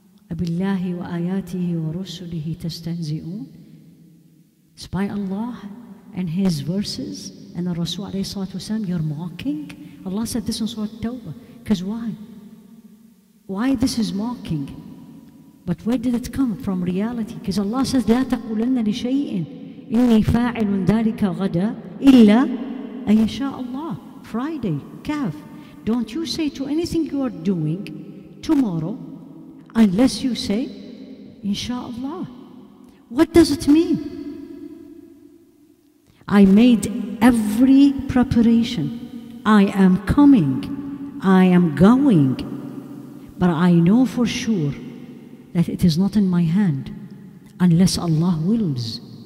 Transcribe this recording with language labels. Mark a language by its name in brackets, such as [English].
[Arabic] أَبِاللَّهِ وَآيَاتِهِ وَرُسُلِهِ تَسْتَهْزِئُونَ. [English] By Allah and His verses and the Rasul alayhi salatu wasalam, you're mocking? Allah said this in Surah Tawbah. Because why? Why this is mocking? But where did it come from? Reality. Because Allah says, [Arabic] لَا تَقُولَنَّ لِشَيْءٍ إِنِّي فَاعِلٌ ذَلِكَ غَدًا إِلَّا أَيَشَاءَ اللَّهُ. [English] Friday, Kaf. Don't you say to anything you are doing tomorrow unless you say, inshallah. What does it mean? I made every preparation. I am coming. I am going. But I know for sure that it is not in my hand unless Allah wills.